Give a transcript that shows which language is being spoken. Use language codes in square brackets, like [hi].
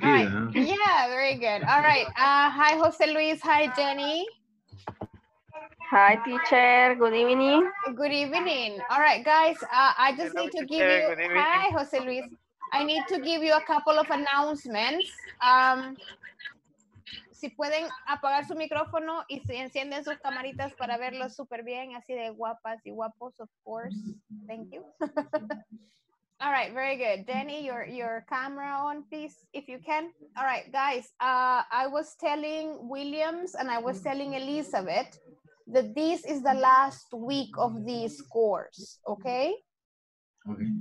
[en] right. Yeah, very good. All right. Hi, Jose Luis. Hi, Jenny. Hi, teacher. Good evening. Good evening. All right, guys. I just need to give you. Hi, Jose Luis. I need to give you a couple of announcements. [es] Si pueden apagar su micrófono y se encienden sus camaritas para verlos súper bien, así de guapas y guapos, [en] of course. Thank you. All right, very good. Danny, your camera on, please, if you can. All right, guys, I was telling Williams and I was telling Elizabeth that this is the last week of this course, okay? Okay.